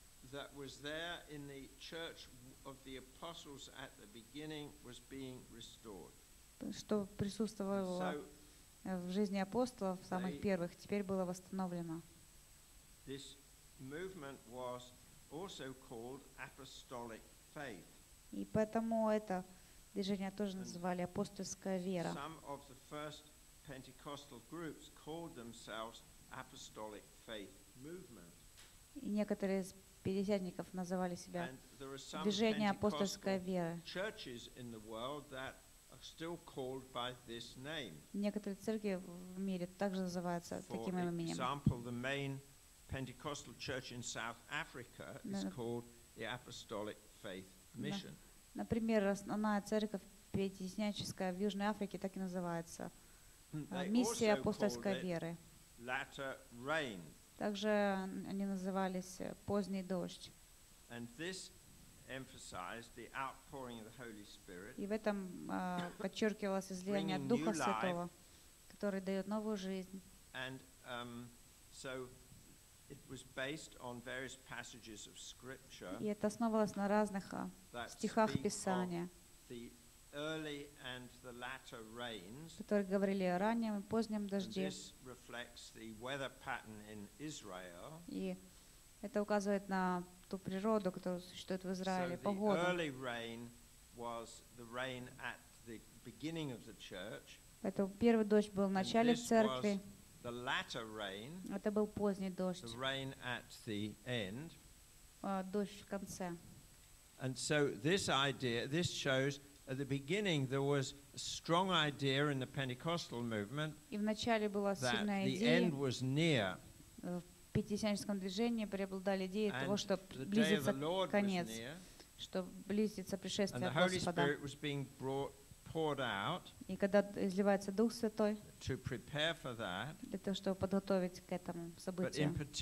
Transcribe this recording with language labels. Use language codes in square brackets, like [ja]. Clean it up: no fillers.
[en] that was there in the church of the apostles at the beginning was being restored. [ru] Что присутствовало в жизни апостолов, самых первых, теперь было восстановлено. [en] This movement was also called apostolic faith. [ru] И поэтому это движение тоже называли апостольская вера. [en] Some of the first Pentecostal groups called themselves apostolic faith movement. [ru] И некоторые из пятидесятников называли себя движение апостольская вера. [en] Churches in the world that still called by this name. [ru] Некоторые церкви в мире также называются таким именем. [en] For example, the main Pentecostal church in South Africa is called the Apostolic Faith Mission. [ru] Например, основная церковь пятидесятническая в Южной Африке так и называется — миссия апостольской веры. [en] Latter Rain. [ru] Также они назывались поздний дождь. [en] And this emphasized the outpouring of the Holy Spirit. [ru] И в этом подчеркивалось излияние Духа Святого, который дает новую жизнь. [en] And so it was based on various passages of scripture. [ru] И это основывалось на разных стихах Писания. [en] The early and the latter rains. [ru] Которые говорили о раннем и позднем дожде. [en] This reflects the weather pattern in Israel. [ru] И это указывает на ту природу, которая существует в Израиле, [en] so [ru] погоду. [en] The early rain was the rain at the beginning of the church. [ru] Поэтому первый дождь был в начале церкви. [en] The latter rain. [ru] Это был поздний дождь. [en] The rain at the end. [ru] Дождь в конце. [en] And so this idea, this shows at the beginning there was a strong idea in the Pentecostal movement. [ru] И в начале была сильная идея. [en] The end was near. [ru] В пятидесятническом движении преобладали идеи того, что близится конец, что близится пришествие Господа. И когда изливается Дух Святой, для того, чтобы подготовить к этому событию.